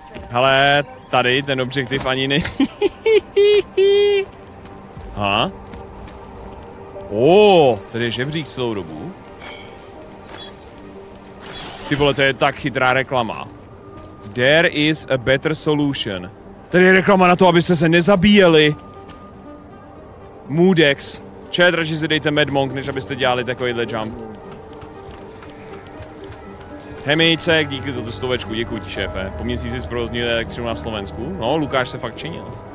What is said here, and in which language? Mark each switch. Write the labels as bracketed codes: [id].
[cs] Hele, tady ten objektiv ani není. Ha? Tady je žebřík celou dobu. Ty vole, to je tak chytrá reklama. [en] There is a better solution. [cs] Tady je reklama na to, abyste se nezabíjeli. Moodex. Čet, radši si dejte Mad Monk, než abyste dělali takovýhle jump. Hemiček, díky za tu stovečku, děkuji ti, šéfe. Po měsíci zprovoznil elektřinu na Slovensku. No, Lukáš se fakt činil.